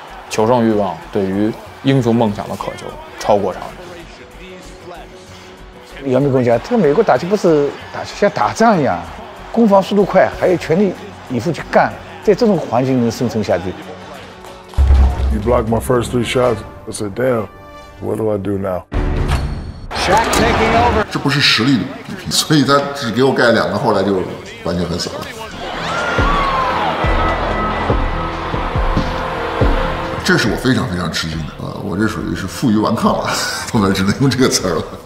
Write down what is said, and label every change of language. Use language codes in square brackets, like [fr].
[zh] 求胜欲望对于英雄梦想的渴求超过常人。姚明跟我讲，这个美国打球不是打球像打仗一样，攻防速度快，还有全力以赴去干，在这种环境能生存下去。 [en] He blocked my first three shots. I said, "Damn, what do I do now?" [zh] 这不是实力的比拼，所以他只给我盖了两个，后来就完全很散了。这是我非常非常吃惊的，我这属于是负隅顽抗了，后面只能用这个词了。